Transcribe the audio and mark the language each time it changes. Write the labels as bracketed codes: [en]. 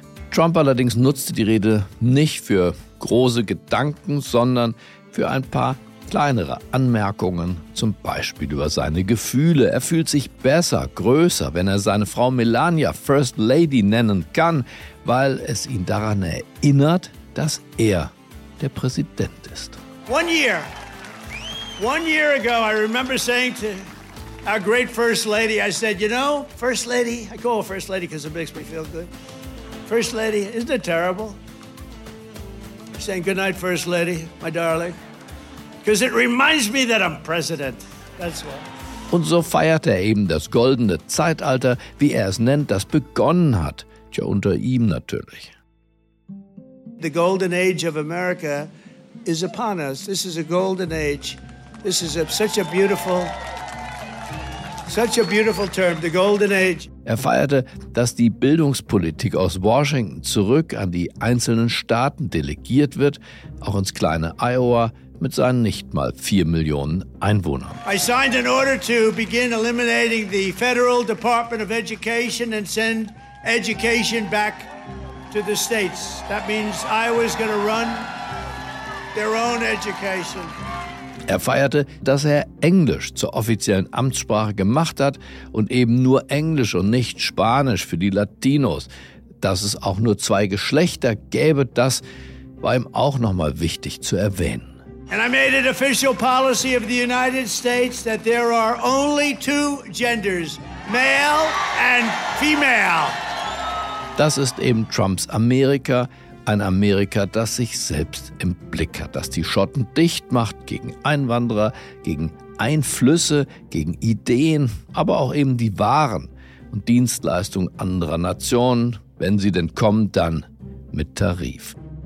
[de] Trump allerdings nutzte die Rede nicht für große Gedanken, sondern für ein paar kleinere Anmerkungen, zum Beispiel über seine Gefühle. Er fühlt sich besser, größer, wenn er seine Frau Melania First Lady nennen kann, weil es ihn daran erinnert, dass er der Präsident ist. [en] One year ago, I remember saying to our great First Lady, I said, you know, First Lady, I call her First Lady because it makes me feel good. First Lady, isn't it terrible? I'm saying good night, First Lady, my darling. Because it reminds me that I'm president. That's why. [de] Und so feiert er eben das goldene Zeitalter, wie er es nennt, das begonnen hat. Tja, unter ihm natürlich. [en] The golden age of America is upon us. This is a golden age. This is such a beautiful term, the golden age. [de] Er feierte, dass die Bildungspolitik aus Washington zurück an die einzelnen Staaten delegiert wird, auch ins kleine Iowa, mit seinen nicht mal 4 Millionen Einwohnern. [en] I signed an order to begin eliminating the Federal Department of Education and send education back to the states. That means Iowa's going to run their own education. [de] Er feierte, dass er Englisch zur offiziellen Amtssprache gemacht hat und eben nur Englisch und nicht Spanisch für die Latinos. Dass es auch nur zwei Geschlechter gäbe, das war ihm auch nochmal wichtig zu erwähnen. [en] And I made it official policy of the United States that there are only 2 genders, male and female. [de] Das ist eben Trumps Amerika, ein Amerika, das sich selbst im Blick hat, das die Schotten dicht macht gegen Einwanderer, gegen Einflüsse, gegen Ideen, aber auch eben die Waren und Dienstleistungen anderer Nationen, wenn sie denn kommen, dann mit Tarif.